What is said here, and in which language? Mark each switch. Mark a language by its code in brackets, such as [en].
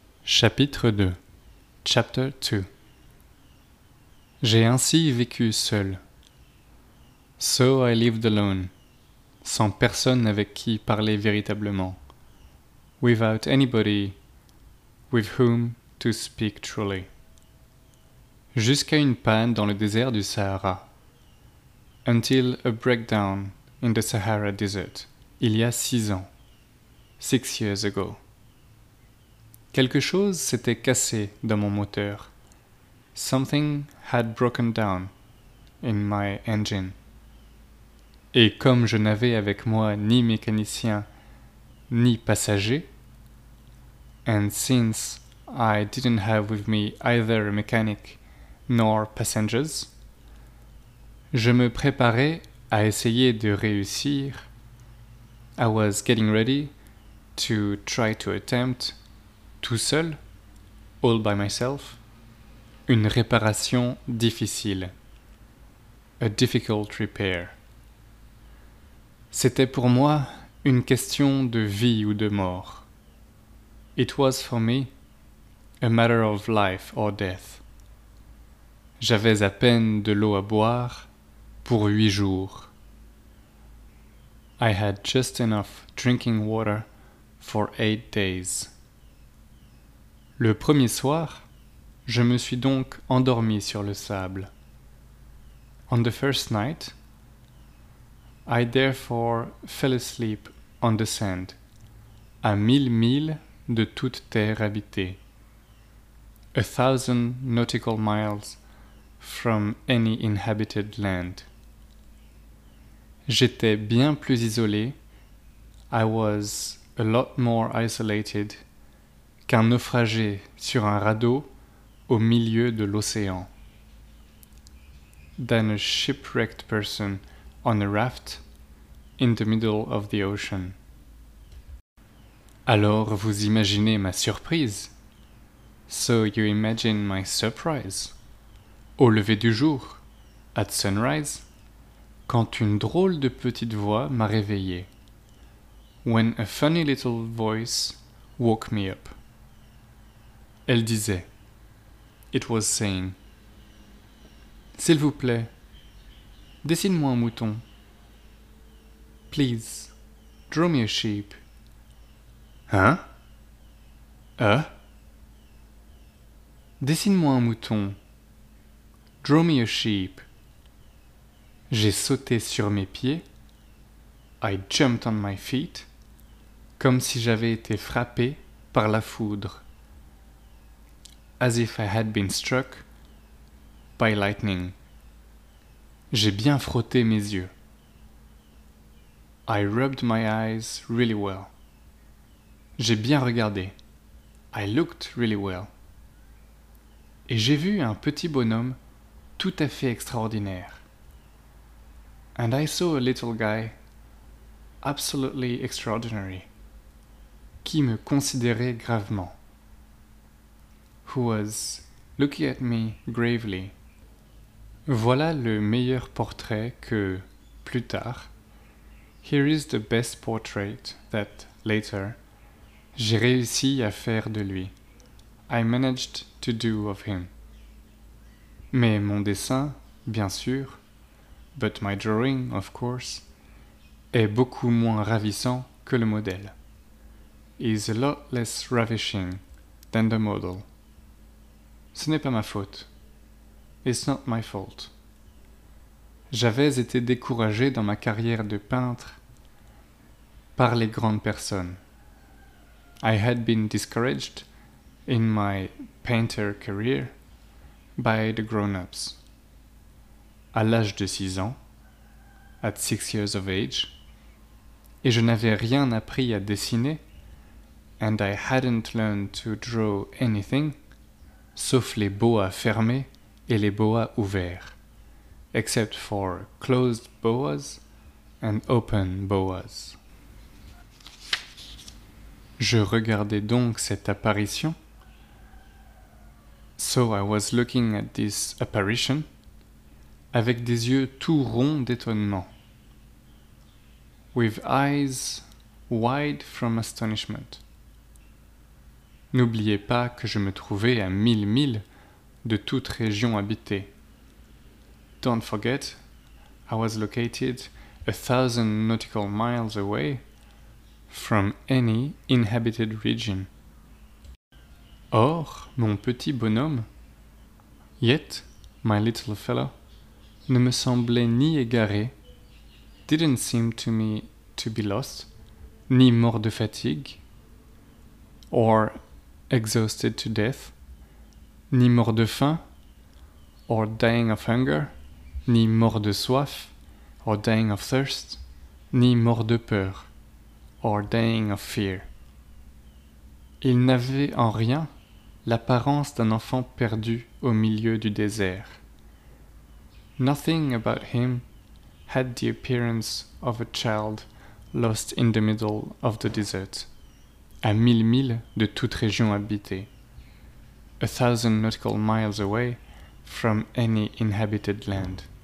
[fr] Chapitre 2. [en] Chapter 2. [fr] J'ai ainsi vécu seul. [en] So I lived alone, [fr] sans personne avec qui parler véritablement. [en] Without anybody with whom to speak truly. [fr] Jusqu'à une panne dans le désert du Sahara. [en] Until a breakdown in the Sahara Desert, [fr] il y a 6 ans. [en] 6 years ago. [fr] Quelque chose s'était cassé dans mon moteur. [en] Something had broken down in my engine. [fr] Et comme je n'avais avec moi ni mécanicien, ni passager, [en] and since I didn't have with me either a mechanic nor passengers, [fr] je me préparais à essayer de réussir. [en] I was getting ready to try to attempt, [fr] tout seul, [en] all by myself, [fr] une réparation difficile. [en] A difficult repair. [fr] C'était pour moi une question de vie ou de mort. [en] It was for me a matter of life or death. [fr] J'avais à peine de l'eau à boire pour 8 jours. [en] I had just enough drinking water for 8 days. [fr] Le premier soir, je me suis donc endormi sur le sable. [en] On the first night, I therefore fell asleep on the sand, [fr] à 1000 miles de toute terre habitée. [en] 1000 nautical miles from any inhabited land. [fr] J'étais bien plus isolé, [en] I was a lot more isolated, [fr] qu'un naufragé sur un radeau au milieu de l'océan. [en] Than a shipwrecked person on a raft in the middle of the ocean. [fr] Alors vous imaginez ma surprise. [en] So you imagine my surprise. [fr] Au lever du jour, [en] at sunrise, [fr] quand une drôle de petite voix m'a réveillé. [en] When a funny little voice woke me up. [fr] Elle disait. [en] It was saying. [fr] S'il vous plaît, dessine-moi un mouton. [en] Please, draw me a sheep. Hein? [fr] Dessine-moi un mouton. [en] Draw me a sheep. [fr] J'ai sauté sur mes pieds, [en] I jumped on my feet, [fr] comme si j'avais été frappé par la foudre. [en] As if I had been struck by lightning. [fr] J'ai bien frotté mes yeux. [en] I rubbed my eyes really well. [fr] J'ai bien regardé. [en] I looked really well. [fr] Et j'ai vu un petit bonhomme tout à fait extraordinaire. [en] And I saw a little guy, absolutely extraordinary, [fr] qui me considérait gravement. [en] Who was looking at me gravely. [fr] Voilà le meilleur portrait que, plus tard, [en] here is the best portrait that, later, [fr] j'ai réussi à faire de lui. [en] I managed to do of him. [fr] Mais mon dessin, bien sûr, [en] but my drawing, of course, [fr] est beaucoup moins ravissant que le modèle. [en] Is a lot less ravishing than the model. [fr] Ce n'est pas ma faute. [en] It's not my fault. [fr] J'avais été découragé dans ma carrière de peintre par les grandes personnes. [en] I had been discouraged in my painter career by the grown-ups. [fr] À l'âge de 6 ans, [en] at 6 years of age, [fr] et je n'avais rien appris à dessiner, [en] and I hadn't learned to draw anything, [fr] sauf les boas fermés et les boas ouverts, [en] except for closed boas and open boas. [fr] Je regardais donc cette apparition. [en] So I was looking at this apparition [fr] avec des yeux tout ronds d'étonnement. [en] With eyes wide from astonishment. [fr] N'oubliez pas que je me trouvais à 1000 miles de toute région habitée. [en] Don't forget, I was located 1,000 nautical miles away from any inhabited region. [fr] Or, mon petit bonhomme, [en] yet, my little fellow, [fr] ne me semblait ni égaré, [en] didn't seem to me to be lost, [fr] ni mort de fatigue, [en] or exhausted to death, [fr] ni mort de faim, [en] or dying of hunger, [fr] ni mort de soif, [en] or dying of thirst, [fr] ni mort de peur, [en] or dying of fear. [fr] Il n'avait en rien l'apparence d'un enfant perdu au milieu du désert. [en] Nothing about him had the appearance of a child lost in the middle of the desert, [fr] à 1000 miles de toute région habitée, [en] 1,000 nautical miles away from any inhabited land.